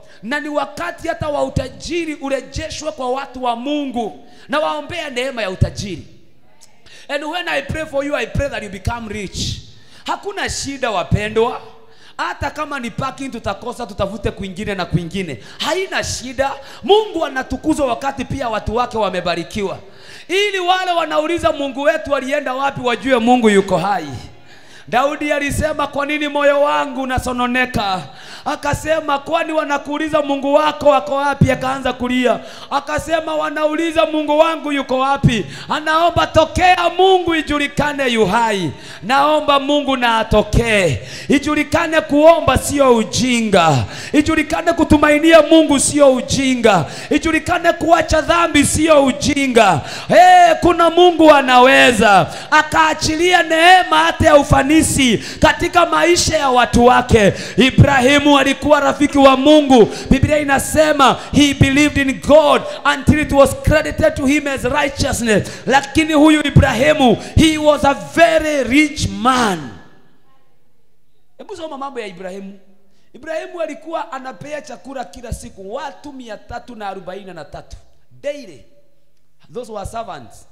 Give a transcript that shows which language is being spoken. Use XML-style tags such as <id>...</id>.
<sw>Na ni wakati hata wa utajiri urejeshwe kwa watu wa Mungu. Na waombea neema ya utajiri.</sw> <en>And when I pray for you, I pray that you become rich.</en> <sw>Hakuna shida wapendwa. Hata kama ni parking tutakosa, tutavute kwingine na kwingine. Haina shida. Mungu anatukuzwa wakati pia watu wake wamebarikiwa. Ili wale wanauliza Mungu wetu alienda wapi, wajue Mungu yuko hai. Daudi alisema, kwa nini moyo wangu unasononeka? Akasema, kwani wanakuuliza Mungu wako wako wapi? Akaanza kulia. Akasema, wanauliza Mungu wangu yuko wapi? Anaomba tokea Mungu ijulikane yuhai. Naomba Mungu na atokee. Ijulikane kuomba sio ujinga. Ijulikane kutumainia Mungu sio ujinga. Ijulikane kuacha dhambi sio ujinga. Hey, kuna Mungu anaweza. Akaachilia neema hata ya ufanisi katika maisha ya watu wake. Ibrahimu alikuwa rafiki wa Mungu. Biblia inasema</sw> <en>he believed in God until it was credited to him as righteousness.</en> <sw>Lakini huyu</sw> <en>Ibrahimu, he was a very rich man.</en> <sw>Hebu soma mambo ya Ibrahimu. Ibrahimu alikuwa anapea chakula kila siku watu 343 daily.</sw> <en>Those were servants.</en>